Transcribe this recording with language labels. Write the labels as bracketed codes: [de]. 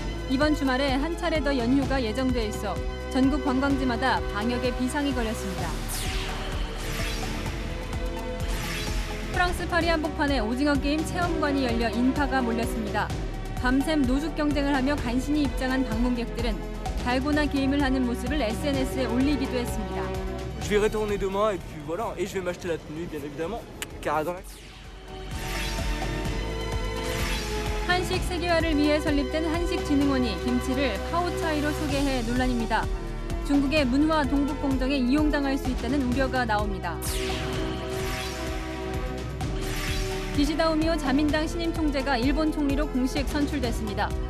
[ko] 이번 주말에 한 차례 더 연휴가 예정돼 있어 전국 관광지마다 방역에 비상이 걸렸습니다. 프랑스 파리 한복판에 오징어 게임 체험관이 열려 인파가 몰렸습니다. 밤샘 노숙 경쟁을 하며 간신히 입장한 방문객들은 달고나 게임을 하는 모습을 SNS에 올리기도 했습니다. [fr] Je vais retourner demain et puis voilà et je vais m'acheter la tenue bien évidemment car dans la [ko] 한식 세계화를 위해 설립된 한식진흥원이 김치를 파오차이로 소개해 논란입니다. 중국의 문화 동북공정에 이용당할 수 있다는 우려가 나옵니다. 기시다 우미오 자민당 신임 총재가 일본 총리로 공식 선출됐습니다.